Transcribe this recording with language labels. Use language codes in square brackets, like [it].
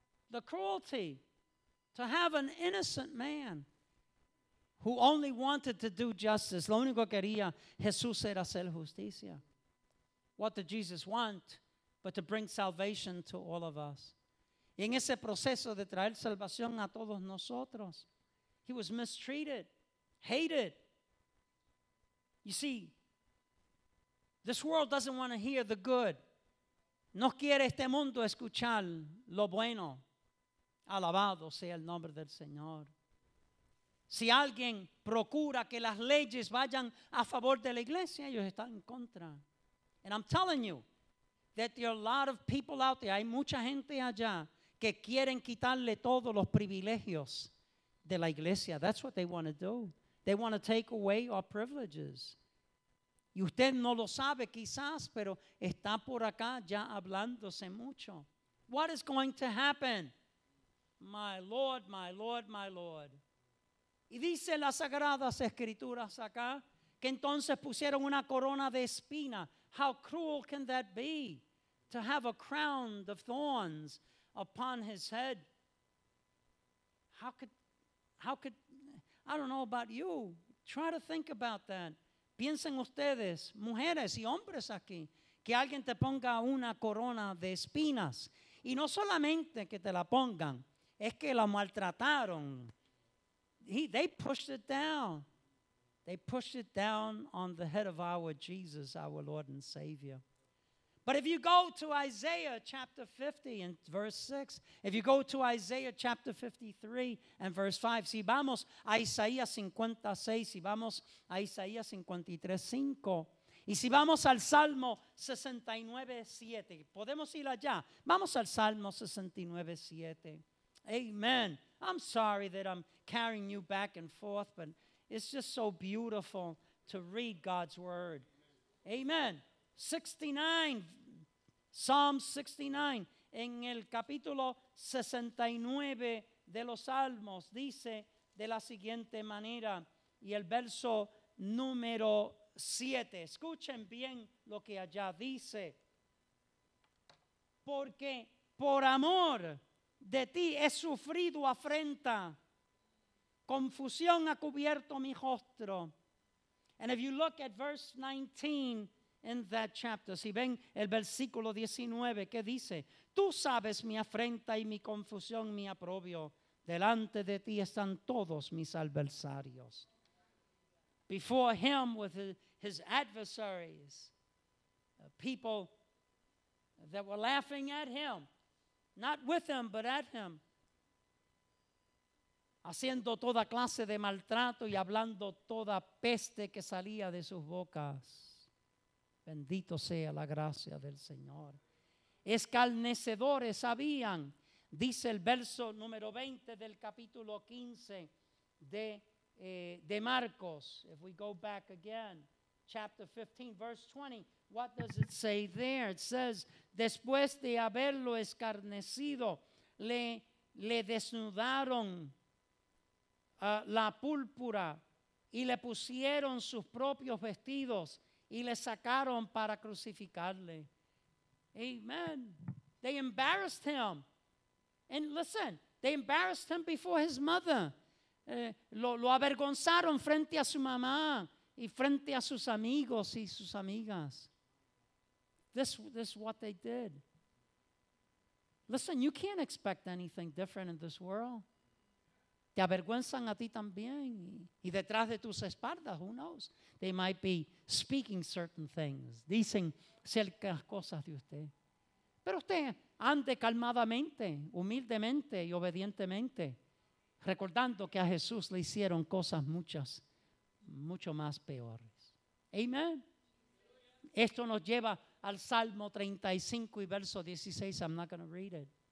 [en] The cruelty to have an innocent man who only wanted to do justice. [es] Lo único que quería Jesús era hacer justicia. [en] What did Jesus want? But to bring salvation to all of us. [es] Y en ese proceso de traer salvación a todos nosotros, [en] he was mistreated, hated. You see, this world doesn't want to hear the good. [es] No quiere este mundo escuchar lo bueno. Alabado sea el nombre del Señor. Si alguien procura que las leyes vayan a favor de la iglesia, ellos están en contra. [en] And I'm telling you that there are a lot of people out there, [es] hay mucha gente allá que quieren quitarle todos los privilegios de la iglesia. [en] That's what they want to do. They want to take away our privileges. [es] Y usted no lo sabe quizás, pero está por acá ya hablándose mucho. [en] What is going to happen? My Lord, my Lord, my Lord. [es] Y dice las Sagradas Escrituras acá que entonces pusieron una corona de espina. [en] How cruel can that be? To have a crown of thorns upon his head. How could, I don't know about you. Try to think about that. [es] Piensen ustedes, mujeres y hombres aquí, que alguien te ponga una corona de espinas. Y no solamente que te la pongan, es que la maltrataron. [en] They pushed it down. They pushed it down on the head of our Jesus, our Lord and Savior. But if you go to Isaiah chapter 50 and verse 6, if you go to Isaiah chapter 53 and verse 5, [es] si vamos a Isaías 56, si vamos a Isaías 53, 5, y si vamos al Salmo 69, 7, podemos ir allá. Vamos al Salmo 69, 7. Amen. [en] I'm sorry that I'm carrying you back and forth, but it's just so beautiful to read God's word. Amen. [es] 69, Psalm 69, en el capítulo 69 de los Salmos, dice de la siguiente manera, y el verso número 7, escuchen bien lo que allá dice, porque por amor de ti he sufrido afrenta, confusión ha cubierto mi rostro. [en] And if you look at verse 19, in that chapter, [es] si ven el versículo 19, que dice, tú sabes mi afrenta y mi confusión, mi aprobio, delante de ti están todos mis adversarios. [en] Before him with his adversaries, people that were laughing at him, not with him, but at him, [es] haciendo toda clase de maltrato y hablando toda peste que salía de sus bocas. Bendito sea la gracia del Señor. Escarnecedores habían, dice el verso número 20 del capítulo 15 de Marcos. [en] If we go back again, chapter 15, verse 20, what does it say there? It says, [es] después de haberlo escarnecido, le desnudaron la púrpura y le pusieron sus propios vestidos. Y le sacaron para crucificarle. Amen. [en] They embarrassed him. And listen, they embarrassed him before his mother. [es] Lo avergonzaron frente a su mamá y frente a sus amigos y sus amigas. [en] This is what they did. Listen, you can't expect anything different in this world. [es] Te avergüenzan a ti también. Y detrás de tus espaldas, [en] who knows? They might be speaking certain things. [es] Dicen ciertas cosas de usted. Pero usted ande calmadamente, humildemente y obedientemente, recordando que a Jesús le hicieron cosas muchas, mucho más peores. Amen. Esto nos lleva al Salmo 35 y verso 16. [en] I'm not going to read it.